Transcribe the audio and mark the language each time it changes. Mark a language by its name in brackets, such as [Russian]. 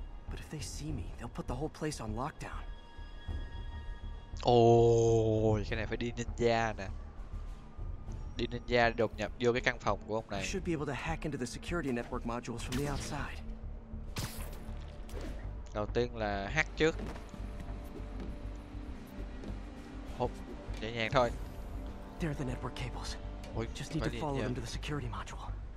[English] But if they see me, they'll put the whole place on lockdown. [Vietnamese] Ôi, cái này phải đi ninja nè. Đi ninja đột nhập vô cái căn phòng của ông này. [English] Should be able to hack into the security network modules from the outside. [Vietnamese] Đầu tiên là hack trước. Hộp, nhẹ nhàng thôi. [English] There are the network cables. Ôi, just need to follow them to the security module.